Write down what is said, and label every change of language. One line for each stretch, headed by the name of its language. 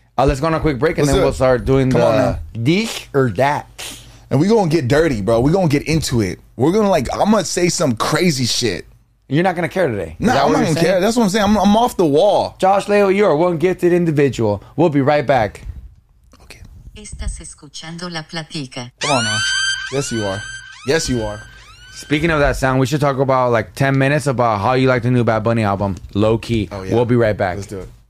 English: Let's go on a quick break and then we'll start doing the dish or that. And we're going to get dirty, bro. We're going to get into it. We're going to like, I'm going to say some crazy shit. You're not going to care today. No, I'm not going to care. That's what I'm saying. I'm off the wall. Josh Leo, you're one gifted individual. We'll be right back. Okay.
Spanish: Estás escuchando la platica.
English: Come on now. Yes, you are. Yes, you are. Speaking of that sound, we should talk about like 10 minutes about how you like the new Bad Bunny album, Low Key. Oh, yeah. We'll be right back. Let's do it.